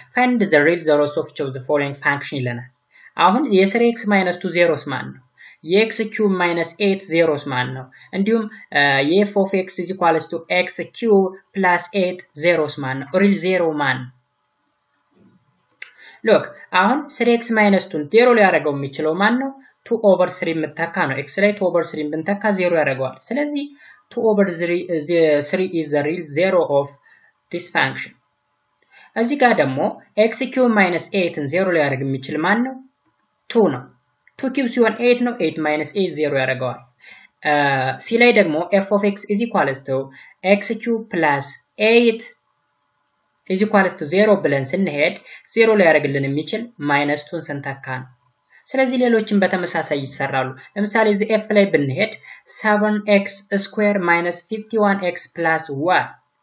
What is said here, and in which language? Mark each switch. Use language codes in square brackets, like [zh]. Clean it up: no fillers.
[en] find the real zeros of each of the following function [am] ይለናል። አሁን የ3x - 2 0 ማን ነው? የx³ - 8 0 ማን ነው? እንዲሁም የ [en] f of x is equal to x³ + 8 [am] 0 ማን ነው? real 0 ማን ነው? look አሁን 3x - 2 0 ሊያደርገው የሚችለው ማን ነው? 2 over 3 ምተካ ነው። x ላይ 2 over 3 ምተካ 0 ያደርገዋል። ስለዚህ 2 over 3 [en] is the real 0 of this function። [am] እዚህ ጋር ደግሞ x³ - 8 0 ሊያደርግ የሚችል ማን ነው? 2 ነው 2 ኪዩብ ሲሆን 8 ነው 8 ማይነስ 8 0 ያደርጋል ሲ ላይ ደግሞ [en] f of x is equals to x cube plus 8 is equals to 0 [am] ብለን ስንሄድ 0 ላይ ያደርግልን የሚችል ማይነስ 2 ስንተካ ነው ስለዚህ ሌሎችን በተመሳሳይ ይሰራሉ ለምሳሌ እዚ f ላይ ብንሄድ [en] 7x square minus 51x plus 1